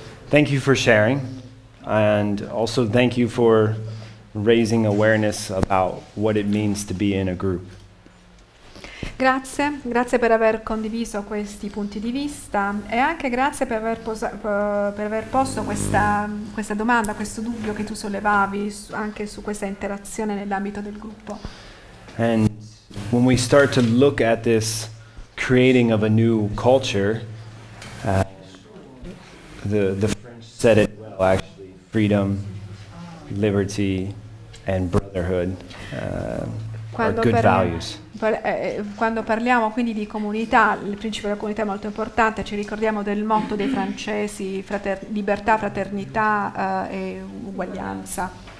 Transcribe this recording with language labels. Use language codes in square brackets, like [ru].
[en] Thank you for sharing, and also thank you for raising awareness about what it means to be in a group. [it] Grazie, grazie per aver condiviso questi punti di vista e anche grazie per aver, posto questa domanda, questo dubbio che tu sollevavi anche su questa interazione nell'ambito del gruppo. [en] And when we start to look at this creating of a new culture, the French said it well, actually, freedom, liberty, and brotherhood are good values. [it] Quando parliamo quindi di comunità, il principio della comunità è molto importante, ci ricordiamo del motto dei francesi, libertà, fraternità e uguaglianza.